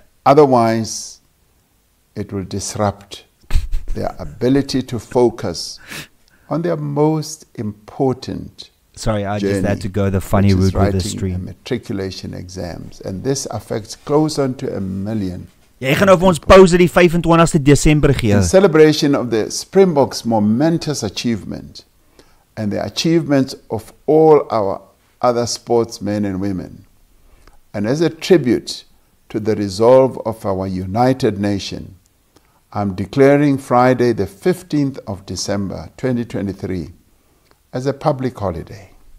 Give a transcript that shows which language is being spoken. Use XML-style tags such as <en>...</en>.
<en>Otherwise, it will disrupt their ability to focus on their most important Just had to go the funny route with the stream. And matriculation exams, and this affects close on to a million.</en> <af>Jy gaan op ons pause die 25ste Desember gee.</af> <en>In celebration of the Springboks' momentous achievement and the achievements of all our other sportsmen and women, and as a tribute to the resolve of our united nation, I'm declaring Friday the 15th of December 2023 as a public holiday.</en>